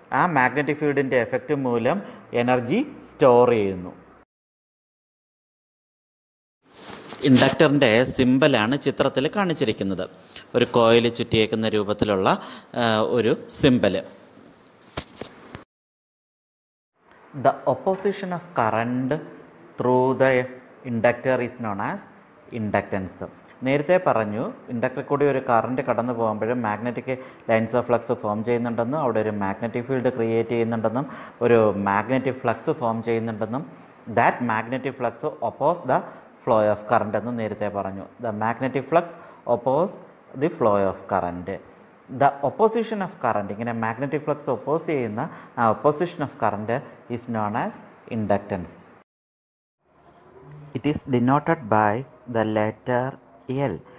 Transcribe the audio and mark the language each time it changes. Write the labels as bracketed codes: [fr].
[ml] ആ magnetic ഫീൽഡിൻ്റെ effect മൂലം energy store ചെയ്യുന്നു. ഇൻഡക്ടറിൻ്റെ സിമ്പലാണ് ചിത്രത്തിൽ കാണിച്ചിരിക്കുന്നത്. ഒരു കോയിൽ ചുറ്റിയേക്കുന്ന രൂപത്തിലുള്ള ഒരു symbol. [en] The opposition of current through the inductor is known as inductance. [ml] നേരത്തെ പറഞ്ഞു ഇൻഡക്ടർ കൂടി ഒരു കറണ്ട് കടന്നു പോകുമ്പോഴും magnetic lines of flux form ചെയ്യുന്നുണ്ടെന്നും അവിടെ ഒരു മാഗ്നറ്റിക് ഫീൽഡ് ക്രിയേറ്റ് ചെയ്യുന്നുണ്ടെന്നും ഒരു magnetic flux form ചെയ്യുന്നുണ്ടെന്നും [en] that magnetic flux oppose the flow of current [ml] ennu nerthe paranju. [en] The magnetic flux oppose the flow of current. The opposition of current, [ml] ingane [en] magnetic flux oppose [ml] cheyina [en] opposition of current is known as inductance. It is denoted by the letter L.